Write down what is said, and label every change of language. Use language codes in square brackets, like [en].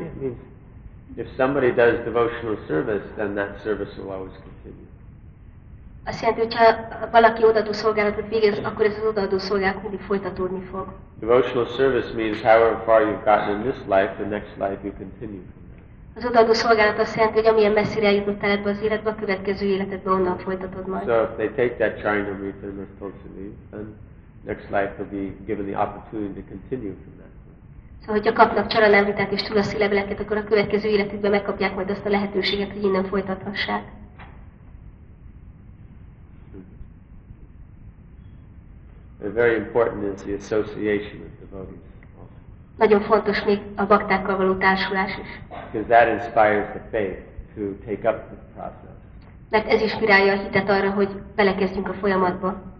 [en] It means if somebody does devotional service, then that service will always continue. [hu] Azt jelenti, hogyha valaki odaadó szolgálatot végez, akkor ez az odaadó szolgálat mindig folytatódni fog. [en] Devotional service means however far you've gotten in this life, the next life you continue. [hu] Az odaadó szolgálat azt jelenti, hogy amilyen messzire eljutottál ebbe az életbe, a következő életedbe onnan folytatod majd. [en] So if they take that Charanamrita and responsibility, then next life will be given the opportunity to continue from that. [hu] So, hogyha kapnak Charanamritát és Tulasi leveleket, akkor a következő életükben megkapják majd azt a lehetőséget, hogy innen folytathassák. [en] Very important is the association with devotees. [hu] Nagyon fontos még a baktákkal való társulás is. [en] Because that inspires the faith to take up this process. [hu] Mert ez inspirálja a hitet arra, hogy belekezdjünk a folyamatba.